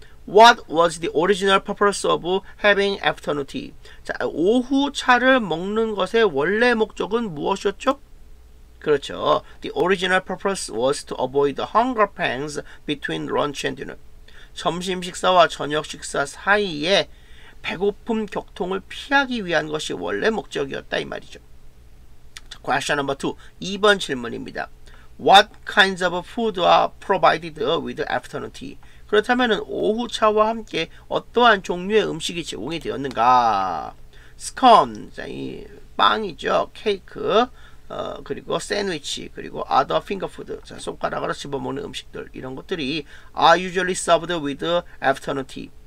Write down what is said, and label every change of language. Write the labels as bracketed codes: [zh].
[en] What was the original purpose of having afternoon tea? [ko] 자, 오후 차를 먹는 것의 원래 목적은 무엇이었죠? 그렇죠. [en] The original purpose was to avoid the hunger pangs between lunch and dinner. [ko] 점심 식사와 저녁 식사 사이에 배고픔 격통을 피하기 위한 것이 원래 목적이었다 이 말이죠. 자, [en] question number 2. [ko] 2번 질문입니다. [en] What kinds of food are provided with afternoon tea? [ko] 그렇다면 오후차와 함께 어떠한 종류의 음식이 제공이 되었는가? scone, 빵이죠. 케이크, 그리고 샌드위치, 그리고 [en] other finger food, [ko] 자, 손가락으로 집어먹는 음식들, 이런 것들이 [en] are usually served with afternoon tea.